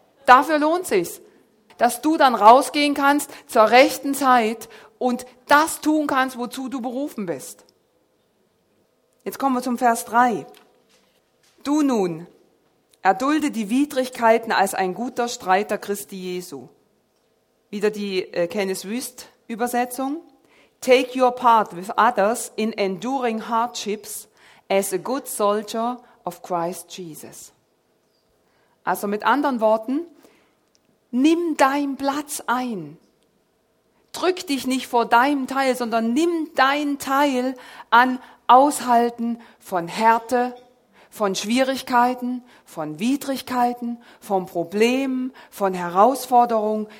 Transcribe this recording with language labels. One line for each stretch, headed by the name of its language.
German: Dafür lohnt sich's, dass du dann rausgehen kannst zur rechten Zeit und das tun kannst, wozu du berufen bist. Jetzt kommen wir zum Vers 3. Du nun, erdulde die Widrigkeiten als ein guter Streiter Christi Jesu. Wieder die Kenneth Wüst Übersetzung.
English: Take your part with others in enduring hardships as a good soldier of Christ Jesus.
German: Also mit anderen Worten, nimm deinen Platz ein. Drück dich nicht vor deinem Teil, sondern nimm deinen Teil an Aushalten von Härte, von Schwierigkeiten, von Widrigkeiten, von Problemen, von Herausforderungen.